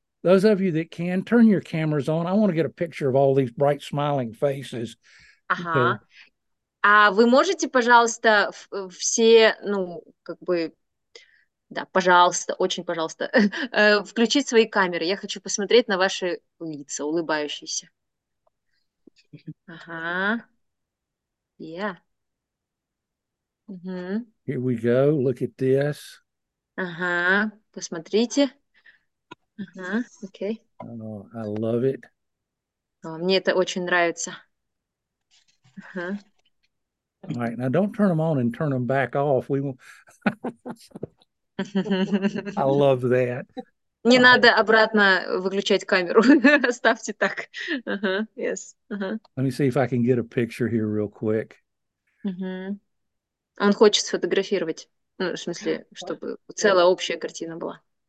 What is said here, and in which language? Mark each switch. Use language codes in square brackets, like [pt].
[en] Those of you that can, turn your cameras on. I want to get a picture of all these bright, smiling faces. [ru] А вы можете, пожалуйста, все, ну, как бы, да, пожалуйста, очень пожалуйста, включить свои камеры. Я хочу посмотреть на ваши лица, улыбающиеся. Ага. [en] Yeah. Here we go. Look at this. [ru] Ага. Посмотрите. Ага. Окей. [en] Okay. I love it. [ru] Мне это очень нравится. [en] All right, now don't turn them on and turn them back off. I love that. [ru] Не надо обратно выключать камеру. Оставьте так. [en] Yes. Let me see if I can get a picture here real quick. [ru] Он хочет сфотографировать. Ну, в смысле, чтобы целая общая картина была.